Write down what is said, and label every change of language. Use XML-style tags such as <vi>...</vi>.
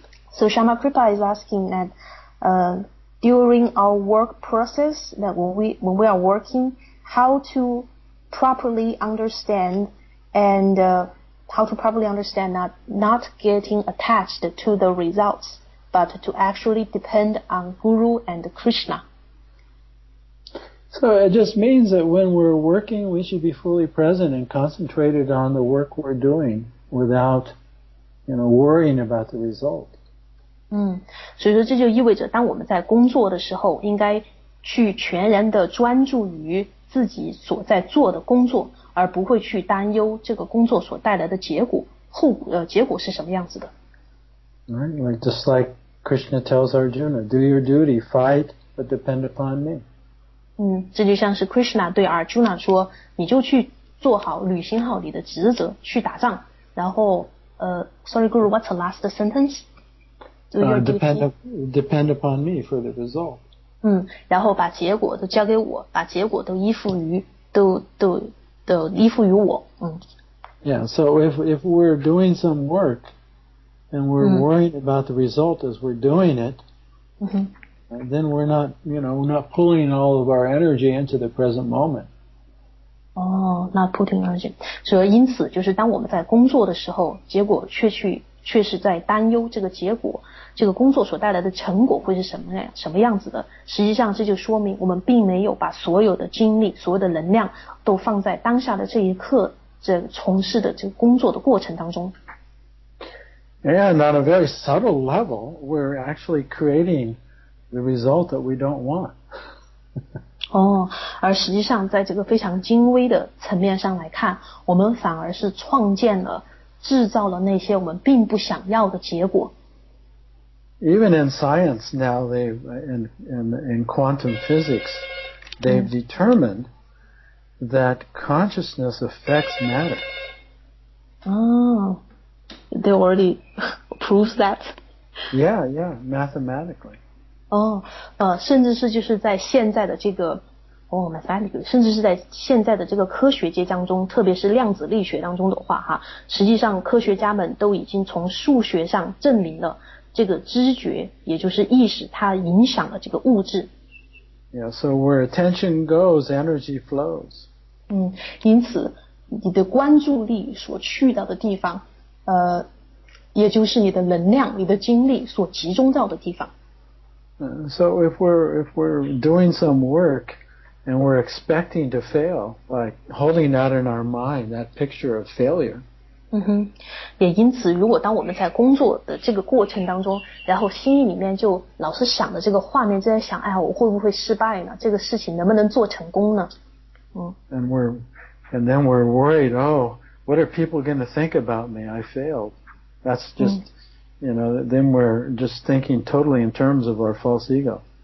<en>So Shama Kripa is asking that, during our work process, that when we are working, how to properly understand and how to properly understand not getting attached to the results, but to actually depend on Guru and Krishna. So it just means that when we're working, we should be fully present and concentrated on the work we're doing without, you know, worrying about the result.</en> <zh>所以说这就意味着当我们在工作的时候应该去全然的专注于自己所在做的工作，而不会去担忧这个工作所带来的结果，结果是什么样子的。</zh> <en>Right, just like Krishna tells Arjuna, do your duty, fight, but depend upon me.</en> <zh>这就像是 Krishna 对 Arjuna 说，你就去做好，履行好你的职责，去打仗，然后</zh> <en>sorry Guru, what's the last sentence? Depend upon me for the result.</en> <zh>然后把结果都交给我，把结果都依附于都依附于我。</zh> <en>Yeah, so if we're doing some work and we're worrying about the result as we're doing it, then we're not, you know, we're not pulling all of our energy into the present moment. Not putting energy.</en> <zh>所以因此就是当我们在工作的时候，结果却是在担忧这个结果，这个工作所带来的成果会是什么样子的。实际上这就说明我们并没有把所有的精力，所有的能量都放在当下的这一刻这从事的这个工作的过程当中。</zh> <en>And on a very subtle level, we're actually creating the result that we don't want.</en> <zh>而实际上在这个非常精微的层面上来看，我们反而是创建了制造了那些我们并不想要的结果。</zh> <en>Even in science now, in quantum physics, they've determined that consciousness affects matter. They already proves that. Yeah, mathematically.</en> <zh>甚至是就是在现在的这个甚至是在现在的这个科学界当中，特别是量子力学当中的话哈，实际上科学家们都已经从数学上证明了这个知觉，也就是意识，它影响了这个物质。</zh> <en>Yeah, so where attention goes, energy flows.</en> <zh>因此你的关注力所去到的地方，也就是你的能量，你的精力所集中到的地方。</zh> <en>So if we're doing some work,and we're expecting to fail, like holding out in our mind that picture of failure.</en> <zh>哼，也因此，如果当我们在工作的这个过程当中，然后心里面就老是想的这个画面，就在想，哎呀，我会不会失败呢？这个事情能不能做成功呢？嗯。</zh> <en>And then we're worried. Oh, what are people going to think about me? I failed. That's just,you know. Then we're just thinking totally in terms of our false ego.</en>